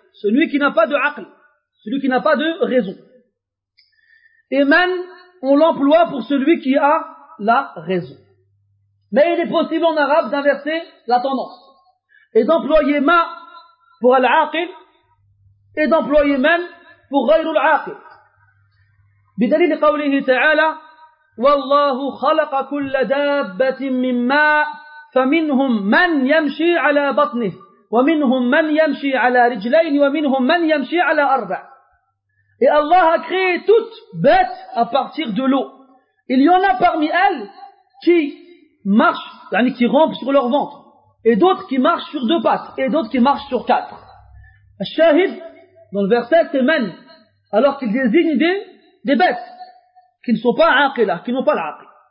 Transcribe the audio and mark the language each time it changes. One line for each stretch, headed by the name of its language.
French: Celui qui n'a pas de aql, celui qui n'a pas de raison. Et man, on l'emploie pour celui qui a la raison. Mais il est possible en arabe d'inverser la tendance. Et d'employer ma pour al-aql, et d'employer man pour
Arabic: ghayru al-aql. بدليل قوله تعالى والله خلق كل دابة من ماء فمنهم من يمشي على بطنه ومنهم من يمشي على رجلين ومنهم من يمشي على أربع.
French: Et Allah a créé toute bête à partir de l'eau. Il y en a parmi elles qui marchent, yani qui rampent sur leur ventre, et d'autres qui marchent sur deux pattes, et d'autres qui marchent sur quatre. Al-Shahid, dans le verset, c'est men, alors qu'il désigne des bêtes qui ne sont pas aqilah, qui n'ont pas l'aql.